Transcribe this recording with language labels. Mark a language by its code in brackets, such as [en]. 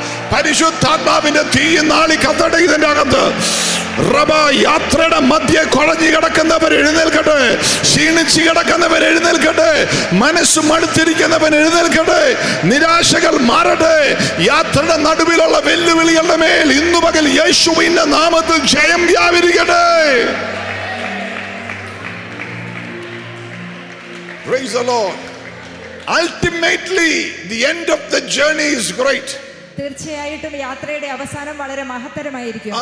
[ml] പരിശുദ്ധാത്മാവിന്റെ തീ നാളി കത്തട്ടെ ഇതിന്റെ അകത്ത്. റബ, യാത്രയുടെ മധ്യ കുഴഞ്ഞു കിടക്കുന്നവർ എഴുന്നേൽക്കട്ടെ, ക്ഷീണിച്ചു കിടക്കുന്നവർ എഴുന്നേൽക്കട്ടെ, മനസ്സ് മടുത്തിരിക്കുന്നവൻ എഴുന്നേൽക്കട്ടെ, നിരാശകൾ മാറട്ടെ. യാത്രയുടെ നടുവിലുള്ള വെല്ലുവിളികളുടെ മേൽ ഇന്നു പകൽ യേശുവിന്റെ നാമത്തിൽ ജയം വ്യാപരിക്കട്ടെ. [en] Praise the Lord. Ultimately, the end of the journey is great. [ml] തീർച്ചയായിട്ടും യാത്രയുടെ അവസാനം വളരെ മഹത്തരമായിരിക്കും.